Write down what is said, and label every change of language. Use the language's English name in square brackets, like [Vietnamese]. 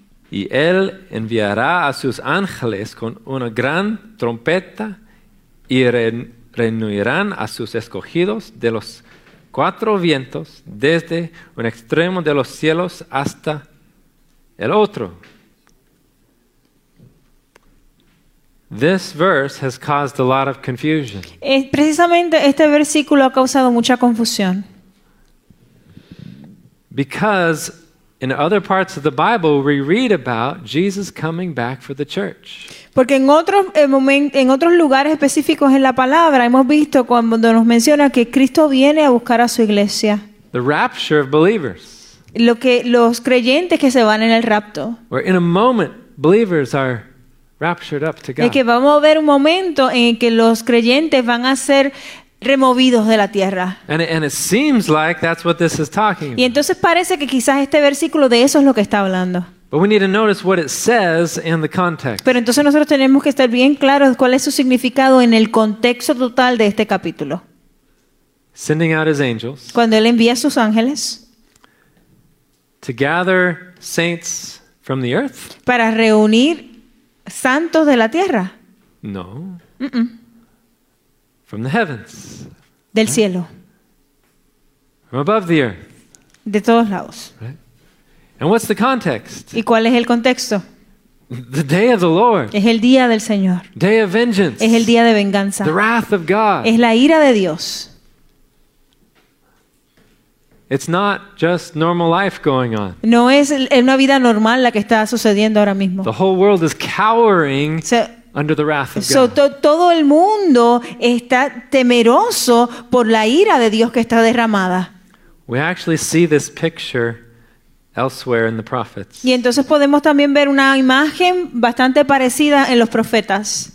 [Spanish] Y él enviará a sus ángeles con una gran trompeta y reunirán a sus escogidos de los cuatro vientos desde un extremo de los cielos hasta el otro. [English] This verse has caused a lot of confusion. [Spanish] Precisamente este versículo ha causado mucha confusión. [English] Because in other parts of the Bible we read about Jesus coming back for the church. [Spanish] Porque en otros momentos, en otros lugares específicos en la palabra hemos visto cuando nos menciona que Cristo viene a buscar a su iglesia. [English] The rapture of believers. [Spanish] Lo que los creyentes que se van en el rapto. [English] Where in a moment believers are raptured up to God. [Spanish] Es que vamos a ver un momento en el que los creyentes van a ser removidos de la tierra. [English] And it seems like that's what this is talking about. [Spanish] Y entonces parece que quizás este versículo de eso es lo que está hablando. [English] But we need to notice what it says in the context. [Spanish] Pero entonces nosotros tenemos que estar bien claros cuál es su significado en el contexto total de este capítulo. [English] Sending out his angels. [Spanish] Cuando él envía a sus ángeles. [English] To gather saints from the earth. [Spanish] Para reunir santos de la tierra. [English] No. Mm-mm. From the heavens. [Spanish] Del [English] right? [Spanish] Cielo. [English] From above the earth. [Spanish] De todos lados. [English] Right? And what's the context? [Spanish] ¿Y cuál es el contexto? [English] The day of the Lord. [Spanish] Es el día del Señor. [English] Day of vengeance. [Spanish] Es el día de venganza. [English] The wrath of God. [Spanish] Es la ira de Dios. [English] It's not just normal life going on. [Spanish] No es una vida normal la que está sucediendo ahora mismo. [English] The whole world is cowering. Under the wrath of God. [Spanish] So, todo el mundo está temeroso por la ira de Dios que está derramada. [English] We actually see this picture elsewhere in the prophets. [Spanish] Y entonces podemos también ver una imagen bastante parecida en los profetas.